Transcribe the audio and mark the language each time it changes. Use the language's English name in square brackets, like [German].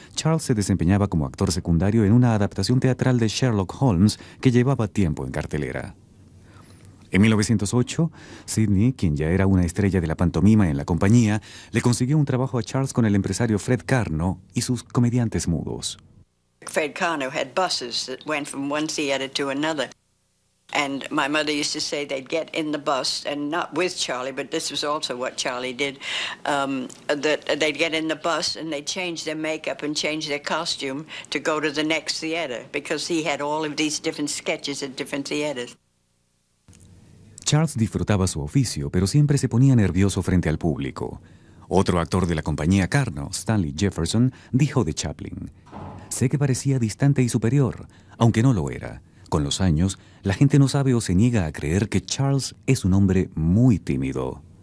[Spanish] Charles se desempeñaba como actor secundario en una adaptación teatral de Sherlock Holmes que llevaba tiempo en cartelera. En 1908, Sidney, quien ya era una estrella de la pantomima en la compañía, le consiguió un trabajo a Charles con el empresario Fred Carno y sus comediantes mudos. [English] Fred Carno had buses that went from one theater to another. And my mother used to say they'd get in the bus, and not with Charlie, but this was also what Charlie did, that they'd get in the bus and they'd change their makeup and change their costume to go to the next theater, because he had all of these different sketches at different theaters. [Spanish] Charles disfrutaba su oficio, pero siempre se ponía nervioso frente al público. Otro actor de la compañía, Carno, Stanley Jefferson, dijo de Chaplin, sé que parecía distante y superior, aunque no lo era. Con los años, la gente no sabe o se niega a creer que Charles es un hombre muy tímido.